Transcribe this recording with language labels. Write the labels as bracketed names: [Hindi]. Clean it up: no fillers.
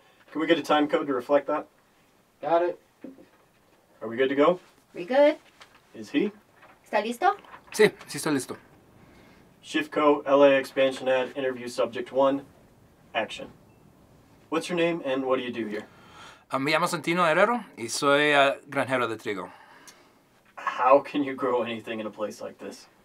[English] Can we get a time code to reflect that? Got it. Are we good to go? We good. Is he? [Spanish] ¿Está listo? Sí, sí está listo. [English] Shifco, LA expansion ad, interview subject 1, action. What's your name and what do you do here? [Spanish] Me llamo Santino Herrero y soy granjero de trigo. [English] How can you grow anything in a place like this?